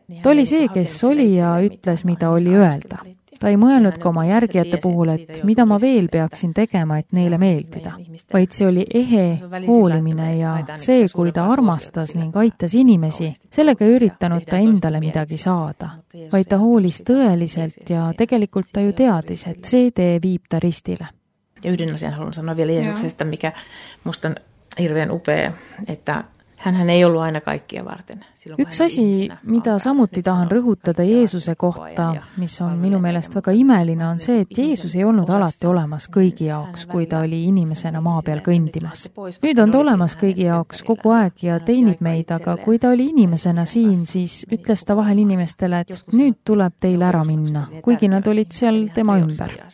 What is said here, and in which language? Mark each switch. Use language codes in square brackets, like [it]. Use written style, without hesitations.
[et] Ta oli see, kes oli ja ütles, mida oli öelda. Ta ei mõelnud ka oma järgijate puhul, et mida ma veel peaksin tegema, et neile meeldida. Vaid see oli ehe hoolimine ja see, kui ta armastas ning aitas inimesi, sellega ei üritanud ta endale midagi saada. Vaid ta hoolis tõeliselt ja tegelikult ta ju teadis, et see tee viib ta ristile. [fi] Ja yhden asian haluan sanoa vielä Jeesuksesta, joo, mikä musta on hirveän upea, että hänhän ei ollut aina kaikkia varten. Silloin, yksi asi, mitä [et] samutti tahan rõhutada Jeesuse kohta, mis on minu mielestä väga imeline, on see, et Jeesus ei olnud alati olemas kõigi jaoks, kui ta oli inimesena maa peal kõndimas. Nüüd on ta olemas kõigi jaoks kogu aeg ja teinib meid, aga kui ta oli inimesena siin, siis ütles ta vahel inimestele, et nüüd tuleb teil ära minna, kuigi nad olid seal tema ümber.